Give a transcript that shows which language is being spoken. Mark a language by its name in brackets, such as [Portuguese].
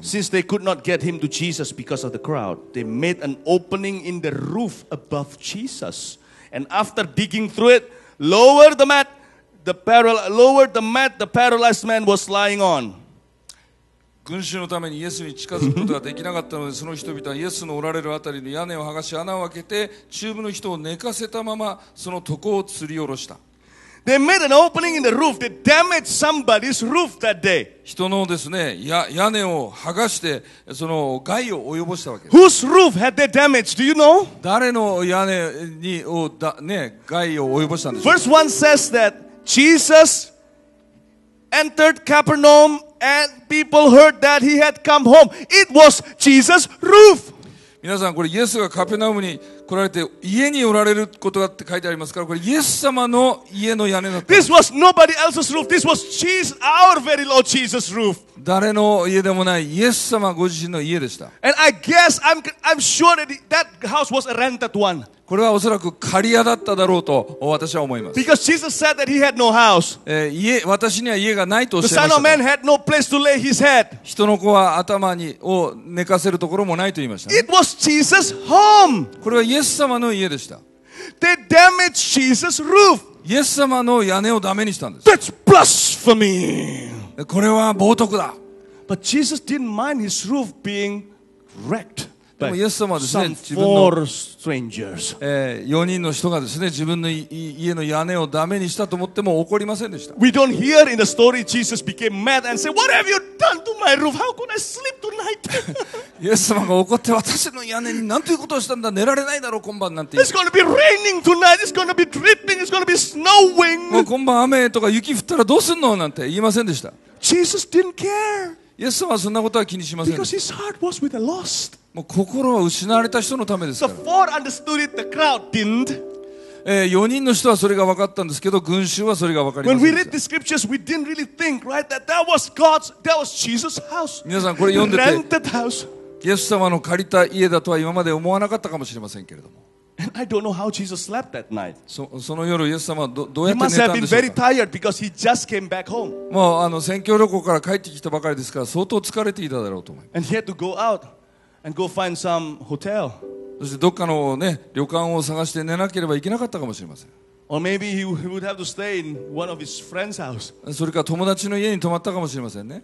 [English] Since they could not get him to Jesus because of the crowd, they made an opening in the roof above Jesus. And after digging through it, lowered the mat the paralyzed man was lying on. [Japanese] 群衆のためにイエスに近づくことができなかったので、その人々はイエスのおられるあたりの屋根を剥がし、穴を開けて、中部の人を寝かせたまま、その床を吊り下ろした。 [English] They made an opening in the roof. They damaged somebody's roof that day. [Japanese] 人のですね、屋根を剥がして、その害を及ぼしたわけです。 [English] Whose roof had they damaged? Do you know? [Japanese] 誰の屋根にをだね、害を及ぼしたんですか? [English] Verse 1 says that Jesus entered Capernaum and people heard that he had come home. It was Jesus' roof. [Japanese] 皆さん、これイエスがカペナウムに来られて家におられることだって書いてありますから、これイエス様の家の屋根だった。 [English] This was nobody else's roof. This was Jesus, our very Lord Jesus' roof. [Japanese] 誰の家でもないイエス様ご自身の家でした。 [English] And I guess I'm sure that house was a rented one. [Japanese] これはおそらく借り屋だっただろうと私は思います。 [English] Because Jesus said that he had no house. [Japanese] 家、私には家がないとおっしゃいました。 [English] The Son of Man had no place to lay his head. [Japanese] 人の子は頭にを寝かせるところもないと言いました、ね。 [English] It was Jesus' home. [Japanese] これはイエス様の家でした。 [English] They damaged Jesus' roof. [Japanese] イエス様の屋根をダメにしたんです。 [English] That's blasphemy. [Japanese] これは冒涜だ。 [English] But Jesus didn't mind his roof being wrecked. [Japanese] でもイエス様はですね、自分の [English] 4 strangers、 [Japanese] 4人の人がですね、自分の家の屋根をダメにしたと思っても怒りませんでした。 [English] We don't hear in the story Jesus became mad and said, "What have you done to my roof? How could I sleep tonight?" [Japanese] イエス様が怒って私の屋根に何ということをしたんだ、寝られないだろう今晩なんて。 [English] It's going to be raining tonight. It's going to be dripping. It's going to be snowing. [Japanese] もう今晩雨とか雪降ったらどうすんのなんて言いませんでした。 [English] Jesus didn't care. [Japanese] イエス様はそんなことは気にしませんでした。 [English] Because his heart was with the lost. [Japanese] もう心は失われた人のためですから、ね。 [English] So、it, the crowd didn't. [Japanese] 4人の人はそれが分かったんですけど、群衆はそれが分かりませんでした。 [English] Really think, right? that was God's, that was Jesus' house. [Japanese] 皆さんこれ読んでて、イエス様の借りた家だとは今まで思わなかったかもしれませんけれども。 [English] And I don't know how Jesus slept that night. [Japanese] その夜、イエス様はどうやって寝たんでしょうか。 [English] He must have been very tired because he just came back home. [Japanese] もう宣教旅行から帰ってきたばかりですから、相当疲れていただろうと思います。 [English] And he had to go out. And go find some hotel. [Japanese] そしてどっかの、ね、旅館を探して寝なければいけなかったかもしれません。 [English] Or maybe he would have to stay in one of his friend's house. [Japanese] それか友達の家に泊まったかもしれませんね。